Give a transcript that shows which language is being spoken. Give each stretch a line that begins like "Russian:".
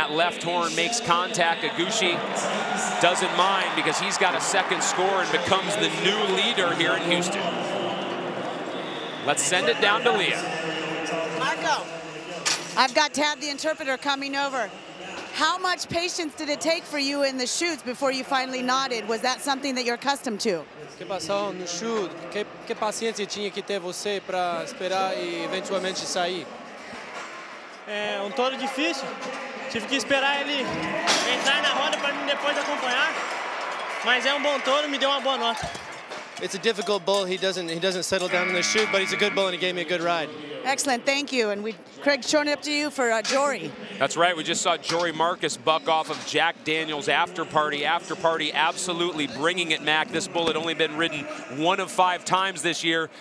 English: That left horn makes contact. Agushi doesn't mind because he's got a second score and becomes the new leader here in Houston. Let's send it down to Leah. Marco, I've got Tad the interpreter coming over. How much patience did it take for you in the chutes before you finally nodded? Was that something that you're accustomed to?
Portuguese: Que passou no chute? Que paciência tinha que ter você para esperar e eventualmente sair? É touro difícil. Tive que esperar ele entrar na roda para mim depois acompanhar. Mas é bom touro, me deu uma boa nota.
English: It's a difficult bull. He doesn't settle down in the chute, but he's a good bull and he gave me a good ride. Excellent, thank you. And Craig, showing it up to you for Jory. That's right, we just saw Jory Marcus buck off of Jack Daniels after party. After party absolutely bringing it, Mac. This bull had only been ridden 1 of 5 times this year.